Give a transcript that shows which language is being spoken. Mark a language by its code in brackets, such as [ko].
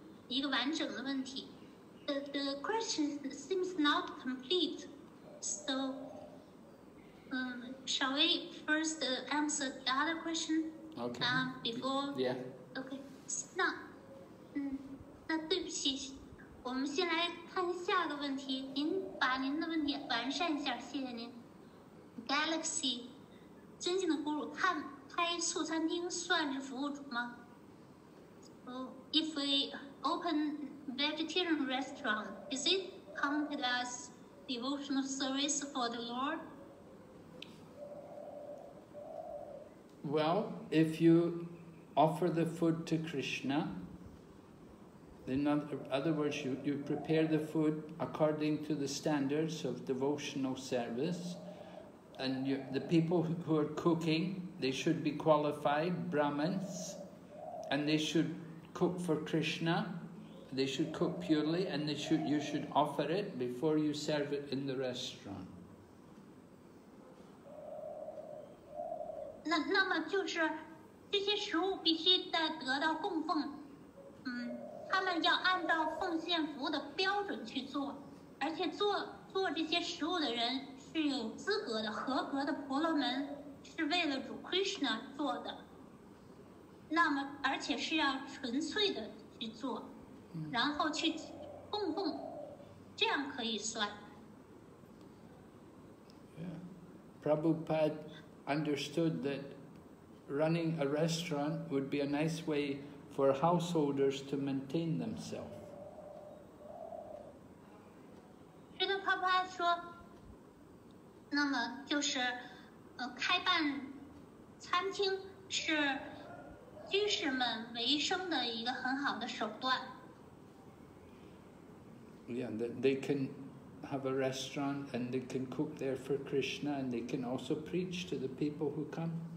[en] The question seems not complete, so shall we first answer the other question? Okay. Before. Yeah. Okay. [zh] 那，那对不起，我们先来看下个问题。您把您的问题完善一下，谢谢您。 Galaxy， 尊敬的 Guru， 开素餐厅算是服务主吗？ [en] If we open vegetarian restaurant, is it counted as devotional service for the Lord? Well, if you offer the food to Krishna, in other words, you prepare the food according to the standards of devotional service, and the people who are cooking, they should be qualified Brahmins, and they should cook for Krishna. They should cook purely, and you should offer it before you serve it in the restaurant. [zh] 那么就是这些食物必须得到供奉，他们要按照奉献服务的标准去做，而且做这些食物的人是有资格的，合格的婆罗门，是为了主 Krishna 做的。那么，而且是要纯粹的去做。然后去供奉，这样可以算。 [en] Yeah. Prabhupada understood that running a restaurant would be a nice way for householders to maintain themselves. [zh] 这个帕帕说，那么就是，开办餐厅是居士们维生的一个很好的手段。 [en] Yeah, that they can have a restaurant and they can cook there for Krishna and they can also preach to the people who come.